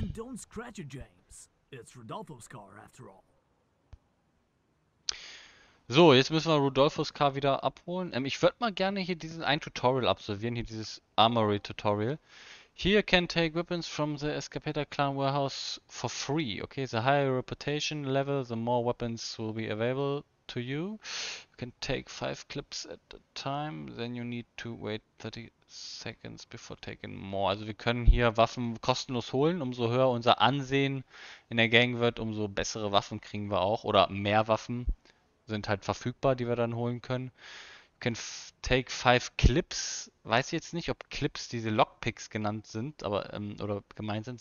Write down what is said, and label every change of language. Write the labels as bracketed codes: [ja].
[en] It's Rodolfo's car, after all. [de] So, jetzt müssen wir Rodolfos Car wieder abholen. Ich würde mal gerne hier diesen ein Tutorial absolvieren, hier dieses Armory Tutorial. [en] Here can take weapons from the Escapeta Clan Warehouse for free. Okay, the higher reputation level, the more weapons will be available to you. You can take 5 clips at a time, then you need to wait 30 seconds before taking more. [de] Also wir können hier Waffen kostenlos holen, umso höher unser Ansehen in der Gang wird, umso bessere Waffen kriegen wir auch. Oder mehr Waffen sind halt verfügbar, die wir dann holen können. [en] You can take 5 clips. [de] Weiß ich jetzt nicht, ob Clips diese Lockpicks genannt sind, aber oder gemeint sind.